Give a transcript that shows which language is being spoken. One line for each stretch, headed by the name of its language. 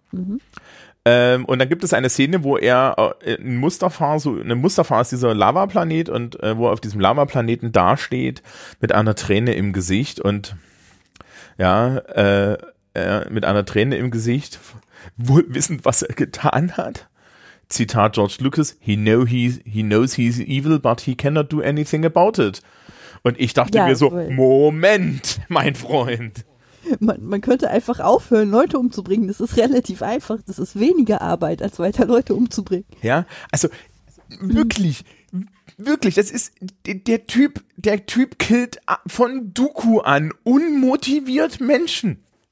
German: Und dann gibt es eine Szene, wo er in Mustafar, so in Mustafar ist dieser Lavaplanet und wo er auf diesem Lavaplaneten dasteht mit einer Träne im Gesicht und ja, mit einer Träne im Gesicht, wohl wissend, was er getan hat. Zitat
English: George Lucas, he knows he's evil, but he cannot do anything about it.
German: Und ich dachte mir so, Moment, mein Freund. Man könnte einfach aufhören, Leute umzubringen. Das ist relativ einfach. Das ist weniger Arbeit, als weiter Leute umzubringen. Ja, also wirklich, wirklich, das ist der Typ killt von Dooku an unmotiviert Menschen.